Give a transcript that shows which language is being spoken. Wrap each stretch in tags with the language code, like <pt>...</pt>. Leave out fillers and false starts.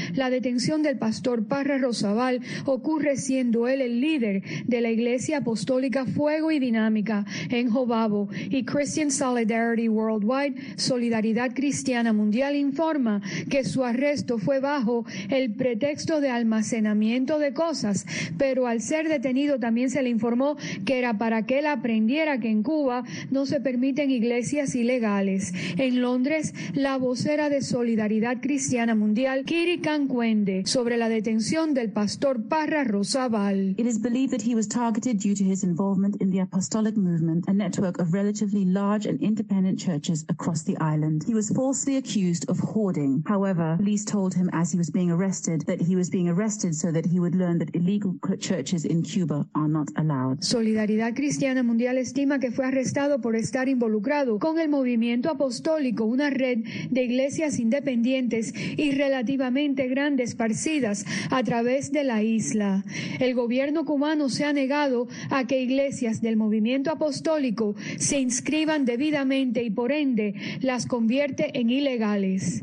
<es>La detención del pastor Parra Rosabal ocurre siendo él el líder de la Iglesia Apostólica Fuego y Dinámica en Jobabo y Christian Solidarity Worldwide, Solidaridad Cristiana Mundial, informa que su arresto fue bajo el pretexto de almacenamiento de cosas, pero al ser detenido también se le informó que era para que él aprendiera que en Cuba no se permiten iglesias ilegales. En Londres, la vocera de Solidaridad Cristiana Mundial, Kiri Cancuende, sobre la detención del pastor Parra Rosabal.</es> <en>It is believed that he was targeted due to his involvement in the Apostolic Movement, a network of relatively large and independent churches across the island. He was falsely accused of hoarding. However, police told him as he was being arrested that he was being arrested so that he would learn that illegal churches in Cuba are not allowed.</en> <es>Solidaridad Cristiana Mundial estima que fue arrestado por estar involucrado con el movimiento apostólico, una red de iglesias independientes y relativamente grandes esparcidas a través de la isla. El gobierno cubano se ha negado a que iglesias del movimiento apostólico se inscriban debidamente y por ende las convierte en ilegales.</es>